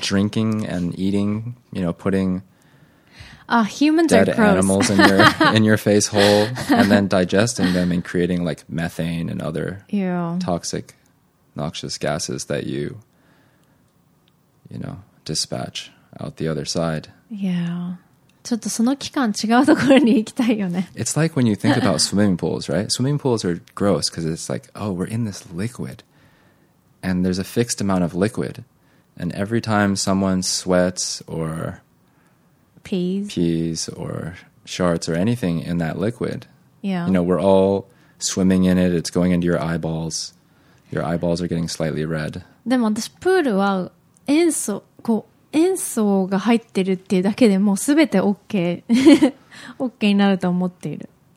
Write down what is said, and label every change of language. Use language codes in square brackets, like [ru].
[en] drinking and eating. You know, putting humans dead are gross. Animals in your in your face hole and then digesting them and creating like methane and other toxic, noxious gases that you know dispatch out the other side. Yeah, [ja] ちょっとその期間違うところに行きたいよね。 [en] It's like when you think about swimming pools, right? Swimming pools are gross because it's like, oh, we're in this liquid. And there's a fixed amount of liquid. And every time someone sweats or pees or sharts or anything in that liquid, yeah. you know, we're all swimming in it. It's going into your eyeballs. Your eyeballs are getting slightly red. [ja] でも私プールは塩素こう塩素が入ってるっていうだけでもうすべて OK OK になると思っている。